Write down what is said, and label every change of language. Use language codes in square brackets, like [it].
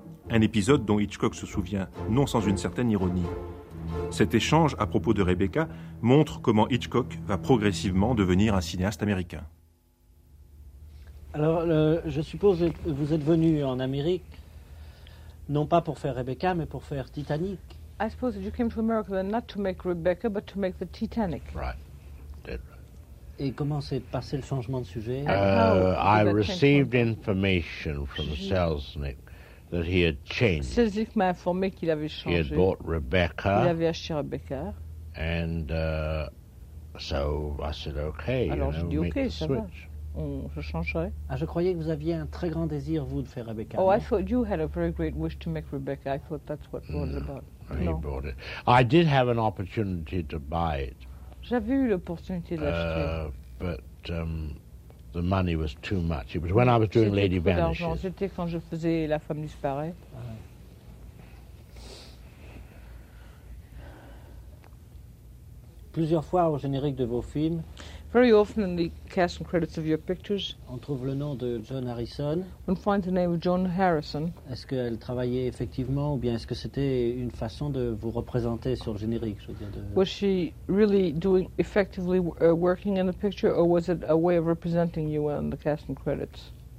[fr] Un épisode dont Hitchcock se souvient, non sans une certaine ironie. Cet échange à propos de Rebecca montre comment Hitchcock va progressivement devenir un cinéaste américain. Alors, je suppose que vous êtes venu en Amérique, non pas pour faire Rebecca, mais pour faire Titanic. [en] I suppose that you came to America not to make Rebecca, but to make the Titanic. Right. [fr] Et comment s'est passé le changement de sujet? [en] I received information from Selznick that he had changed. [fr] Selznick m'a informé qu'il avait changé. [en] He had bought Rebecca. [fr] Il avait acheté Rebecca. [en] And so I said, okay. [fr] Alors [en] you [fr] j'ai dit, [en] know, [fr] okay, ça va. Je changerai. Ah, je croyais que vous aviez un très grand désir, vous, de faire Rebecca. [en] Oh, I thought you had a very great wish to make Rebecca. I thought that's what it was about. He bought it. I did have an opportunity to buy it. [fr] J'avais eu l'opportunité d'acheter. [en] But the money was too much. It was when I was doing [fr] c'était [en] Lady Vanishes. [fr] D'argent. C'était quand je faisais La femme disparaît. Plusieurs fois au générique de vos films. [en] Very often in the cast and credits of your pictures. [fr] On trouve le nom de John Harrison. [en] One finds the name of John Harrison. [fr] Est-ce qu'elle travaillait effectivement, ou bien est-ce que c'était une façon de vous représenter sur le générique, je veux dire de... [en] Was she really doing effectively working in the picture, or was it a way of representing you on the cast and credits?